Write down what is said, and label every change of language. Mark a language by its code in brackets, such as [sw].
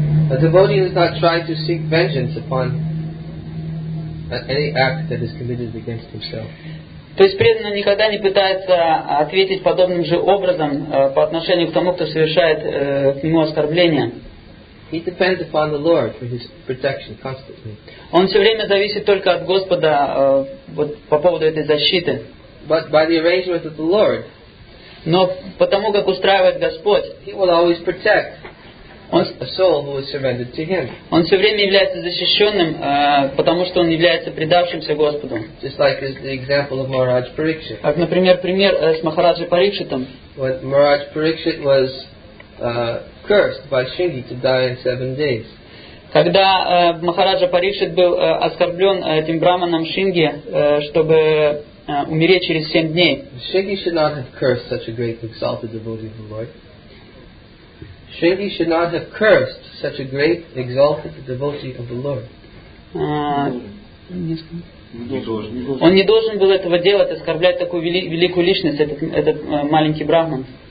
[en] A devotee does not try to seek vengeance upon any act that is committed against himself. [ru] То есть преданный никогда не пытается ответить подобным же образом по отношению к тому, кто совершает к нему оскорбление. [en] He depends upon the Lord for his protection constantly. [ru] Он все время зависит только от Господа вот по поводу этой защиты. [en] But by the arrangement of the Lord, [ru] но потому как устраивает Господь, [en] he will always protect a soul who is surrendered to him. [ru] Он все время является защищенным, потому что он является предавшимся Господу. [en] Just like the example of Maharaj Parikshit. [ru] Как, например, пример с Махараджи Парикшитом. [en] When Maharaj Parikshit was cursed by Shingi to die in 7 days. [ru] Когда Махараджа Парикшит был оскорблен этим браманом Шинги, чтобы умереть через 7 дней. [en] Shingi should not have cursed such a great exalted devotee of the Lord. Shingi should not have cursed such a great exalted devotee of the Lord. [ru] Он не должен был этого делать, оскорблять такую великую личность, этот маленький браман.